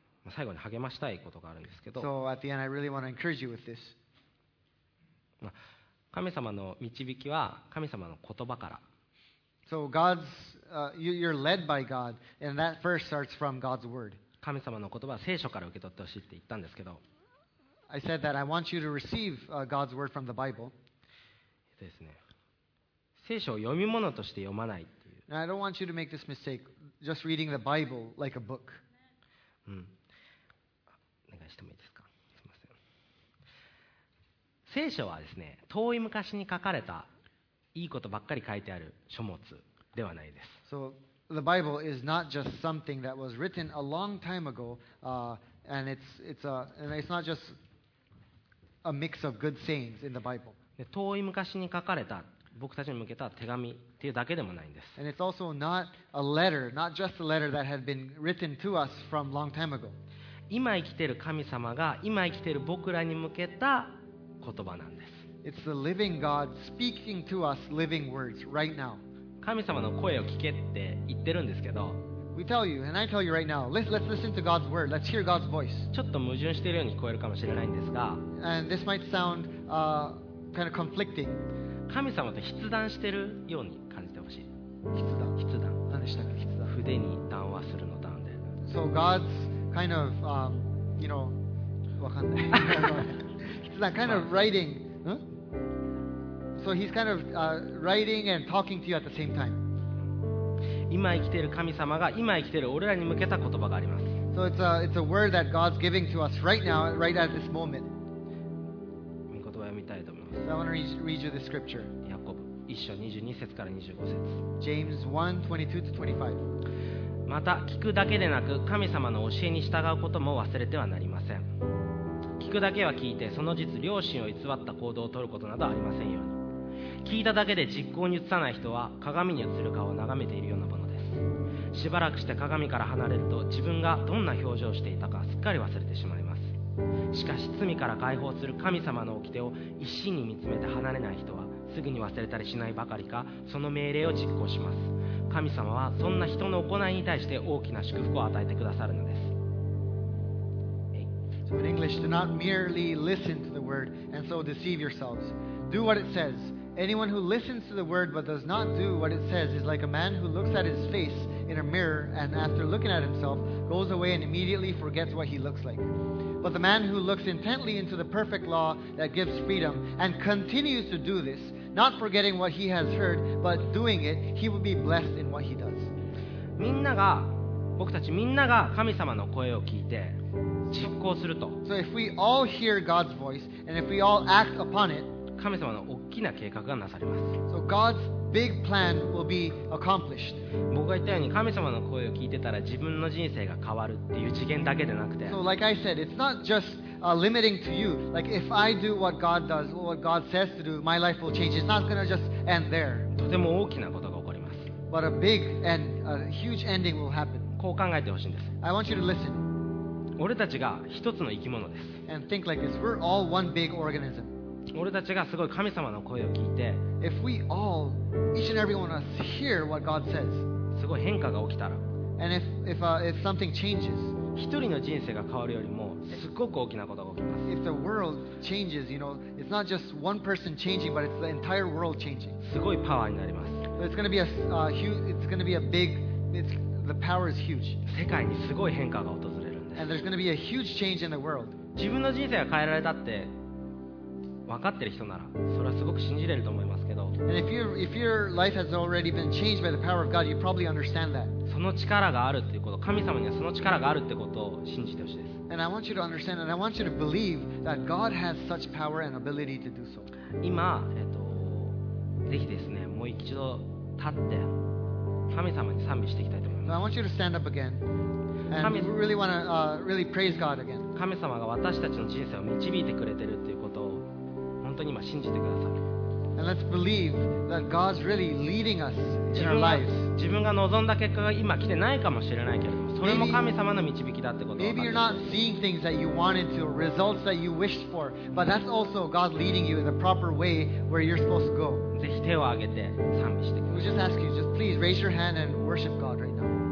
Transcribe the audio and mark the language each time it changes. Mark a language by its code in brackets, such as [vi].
[ja] まあ、最後に励ましたいことがあるんですけど。 [en] So at the end, I really want to encourage you with this. [ja] 神様の導きは神様の言葉から。 [en] So God's, you're led by God, and that first starts from God's word. [ja] 神様の言葉は聖書から受け取ってほしいって言ったんですけど。 [en] I said that I want you to receive God's word from the Bible. [ja] ですね。聖書を読み物として読まないっていう。 [en] And I don't want you to make this mistake, just reading the Bible like a book. [ja] お願いしてもいいですか。すみません。聖書はですね、遠い昔に書かれたいいことばっかり書いてある書物ではないです。 [en] So the Bible is not just something that was written a long time ago, and it's not justA mix of good sayings in the Bible. [ja] 遠い昔に書かれた僕たちに向けた手紙っていうだけでもないんです。 [en] And it's also not a letter, not just a letter that had been written to us from long time ago. [ja] 今生きている神様が今生きている僕らに向けた言葉なんです。 [en] It's the living God speaking to us living words right now. [ja] 神様の声を聞けって言ってるんですけど。 [en] We tell you, and I tell you right now, let's listen to God's word. Let's hear God's voice. [ja] ちょっと矛盾しているように聞こえるかもしれないんですが、 [en] and this might sound kind of conflicting. [ja] 神様と筆談しているように感じてほしい。筆談。何でしたか？筆談。筆に談話するの談で。 [en] So God's kind of, you know, [ja] わかんない。 [en] 筆談、kind of writing. So He's kind of writing and talking to you at the same time. [ja] 今生きている神様が今生きている俺らに向けた言葉があります。 [en] So it's a word that God's giving to us right now, right at this moment. [ja] 御言葉を読みたいと思います。 [en] So、I want to read you the scripture. [ja] ヤコブ一章二十二節から二十五節。 [en] James 1:22-25. [ja] また聞くだけでなく神様の教えに従うことも忘れてはなりません。聞くだけは聞いてその実良心を偽った行動を取ることなどありませんように。聞いただけで実行に移さない人は鏡に映る顔を眺めているようなものです。しばらくして鏡から離れると自分がどんな表情をしていたかすっかり忘れてしまいます。しかし罪から解放する神様の掟を一心に見つめて離れない人はすぐに忘れたりしないばかりかその命令を実行します。神様はそんな人の行いに対して大きな祝福を与えてくださるのです。 [en] So in English, do not merely listen to the word and so deceive yourselves. Do what it says. Anyone who listens to the word but does not do what it says is like a man who looks at his face in a mirror and after looking at himself goes away and immediately forgets what he looks like. But the man who looks intently into the perfect law that gives freedom and continues to do this, not forgetting what he has heard but doing it, he will be blessed in what he does. [ja] みんなが、僕たちみんなが神様の声を聞いて実行すると。 [en] So if we all hear God's voice and if we all act upon it, [ja] 神様の大きな計画がなされます。 [en] So、God's big plan will be accomplished. [ja] 僕が言ったように神様の声を聞いてたら自分の人生が変わるっていう次元だけでなくて、 [en] So like I said, it's not just limiting to you. Like if I do what God does, what God says to do, my life will change. It's not going to just end there. [ja] とても大きなことが起こります。 [en] But a big and a huge ending will happen. [ja] こう考えてほしいんです。 [en] I want you to listen. [ja] 俺たちが一つの生き物です。 [en] And think like this. We're all one big organism. [ja] 俺たちがすごい神様の声を聞いて、 [en] If we all, each and every one of us, hear what God says, [ja] すごい変化が起きたら、 [en] And if something changes, [ja] 一人の人生が変わるよりも、すごく大きなことが起きます。 [en] If the world changes, you know, it's not just one person changing, but it's the entire world changing. [ja] すごいパワーになります。 [en] It's gonna be the power is huge. [ja] 世界にすごい変化が訪れるんです。 [en] And there's gonna be a huge change in the world. [ja] 自分の人生が変えられたって。分かってる人ならそれはすごく信じれると思いますけどけど、 [en] and if your life has already been changed by the power of God, you probably understand that. [ja] その力があるっていうこと、神様にはその力があるってことを信じてほしいです。 [en] And I want you to understand, and I want you to believe that God has such power and ability to do so. [ja] 今、ぜひですね、もう一度立って神様に賛美していきたいと思います。 [en] So、I want you to stand up again. And we really want to、really praise God again. [ja] 神様が私たちの人生を導いてくれてるっていうことを本当に今信じてください。 [en] And let's believe that God's really leading us in our lives. [ja] 自分が望んだ結果が今来てないかもしれないけれども、それも神様の導きだってことは。 [en] Maybe you're not seeing things that you wanted to, results that you wished for, but that's also God leading you in the proper way where you're supposed to go. [ja] ぜひ手を挙げて賛美してください。 [en] We just ask you, just please raise your hand and worship God right now.